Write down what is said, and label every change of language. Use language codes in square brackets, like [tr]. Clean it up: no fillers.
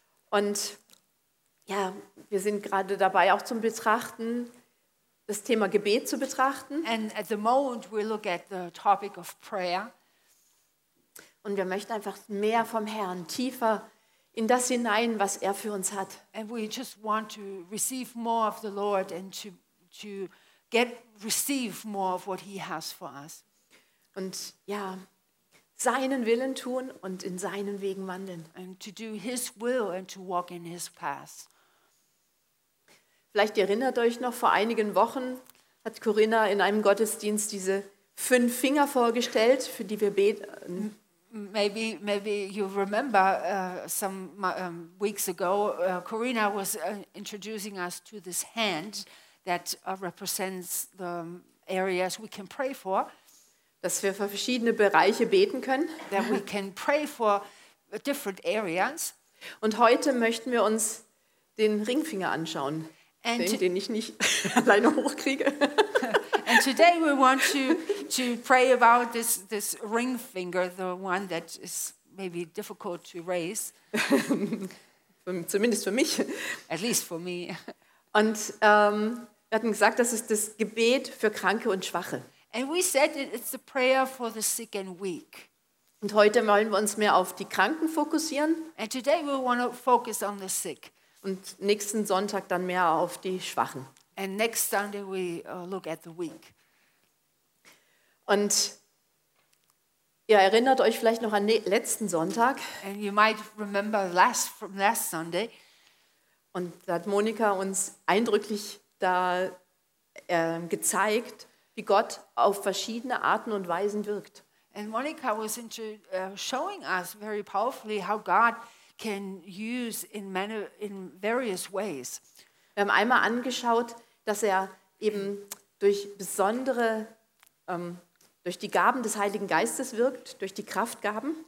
[de] Und ja, wir sind gerade dabei auch zum Betrachten, das Thema Gebet zu betrachten. [en] And at the moment we look at the topic of prayer. [de] Und wir möchten einfach mehr vom Herrn, tiefer in das hinein, was er für uns hat. [en] And we just want to receive more of the Lord and to receive more of what he has for us. [de] Und ja, seinen Willen tun und in seinen Wegen wandeln. [en] And to do his will and to walk in his paths. [de] Vielleicht erinnert euch noch, vor einigen Wochen hat Corinna in einem Gottesdienst diese fünf Finger vorgestellt, für die wir beten. [en] Maybe you remember weeks ago, Corinna was introducing us to this hand that represents the areas we can pray for. [de] Dass wir für verschiedene Bereiche beten können. [en] That we can pray for different areas. [de] Und heute möchten wir uns den Ringfinger anschauen. And den ich nicht alleine hochkriege. [en] And today we want to pray about this ring finger, the one that is maybe difficult to raise. [de] Zumindest für mich. [en] At least for me. [de] Und wir hatten gesagt, das ist das Gebet für Kranke und Schwache. [en] And we said it's the prayer for the sick and weak. [de] Und heute wollen wir uns mehr auf die Kranken fokussieren. [en] And today we want to focus on the sick. [de] Und nächsten Sonntag dann mehr auf die Schwachen. [en] And next Sunday we look at the weak. [de] Und ihr erinnert euch vielleicht noch an letzten Sonntag. [en] And you might remember from last Sunday. [de] Und da hat Monika uns eindrücklich da gezeigt, wie Gott auf verschiedene Arten und Weisen wirkt. [en] And Monika was showing us very powerfully how God can use in various ways. [de] Wir haben einmal angeschaut, dass er eben durch besondere, durch die Gaben des Heiligen Geistes wirkt, durch die Kraftgaben.